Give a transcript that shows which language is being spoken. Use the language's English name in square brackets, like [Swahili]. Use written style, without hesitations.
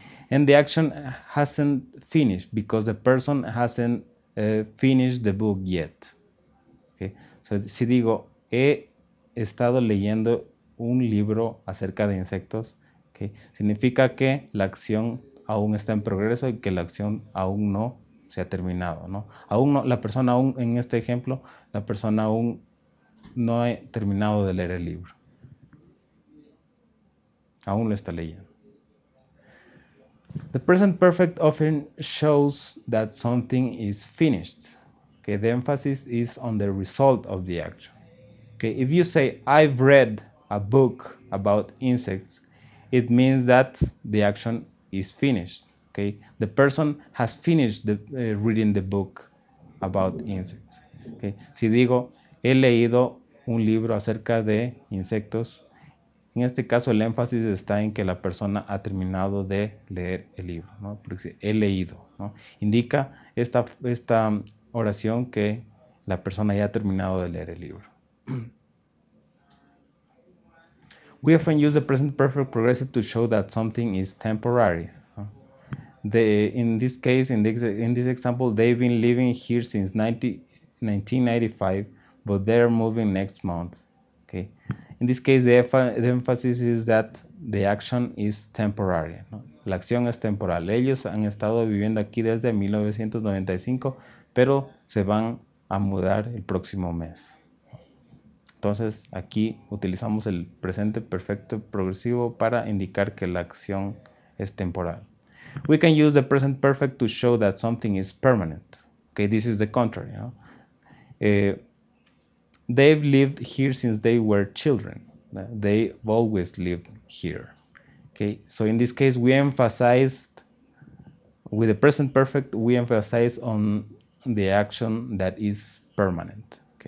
[English] And the action hasn't finished because the person hasn't finished the book yet. [Spanish] So si digo, he estado leyendo un libro acerca de insectos, significa que la acción aún está en progreso y que la acción aún no se ha terminado, ¿no? Aún no, la persona aún, en este ejemplo, la persona aún no ha terminado de leer el libro. Aún lo está leyendo. [English] The present perfect often shows that something is finished. The emphasis is on the result of the action. If you say, I've read a book about insects, it means that the action is finished. The person has finished the, reading the book about insects. [Spanish] Si digo, he leído un libro acerca de insectos, en este caso el énfasis está en que la persona ha terminado de leer el libro, ¿no? Porque si he leído, ¿no? Indica esta oración que la persona ya ha terminado de leer el libro. [English] We often use the present perfect progressive to show that something is temporary. In this example, they've been living here since 1995, but they're moving next month. In this case, the emphasis is that the action is temporary. [Spanish] ¿No? La acción es temporal. Ellos han estado viviendo aquí desde 1995, pero se van a mudar el próximo mes. Entonces, aquí utilizamos el presente perfecto progresivo para indicar que la acción es temporal. [English] We can use the present perfect to show that something is permanent. This is the contrary. ¿No? They've lived here since they were children. They've always lived here. So in this case, we emphasized, with the present perfect, we emphasize on the action that is permanent.